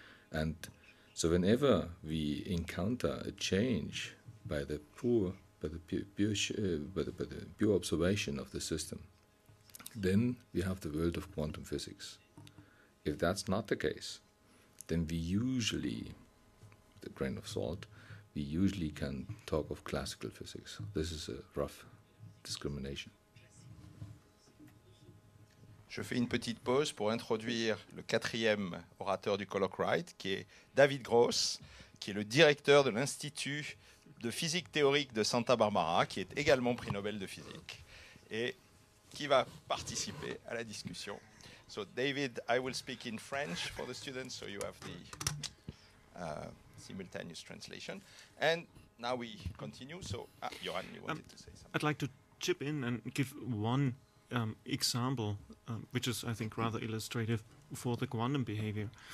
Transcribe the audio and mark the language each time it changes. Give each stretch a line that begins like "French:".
English: And so whenever we encounter a change by the pure, by the pure observation of the system, then we have the world of quantum physics. If that's not the case, then we usually, with a grain of salt, we usually can talk of classical physics. This is a rough discrimination.
French: Je fais une petite pause pour introduire le quatrième orateur du colloque right, qui est David Gross, qui est le directeur de l'Institut de physique théorique de Santa Barbara, qui est également prix Nobel de physique, et qui va participer à la discussion.
English: So David, I will speak in French for the students, so you have the simultaneous translation. And now we continue. So, Johan, you wanted to say something. I'd like to chip in and give one example, which is, I think, rather illustrative for the quantum behavior.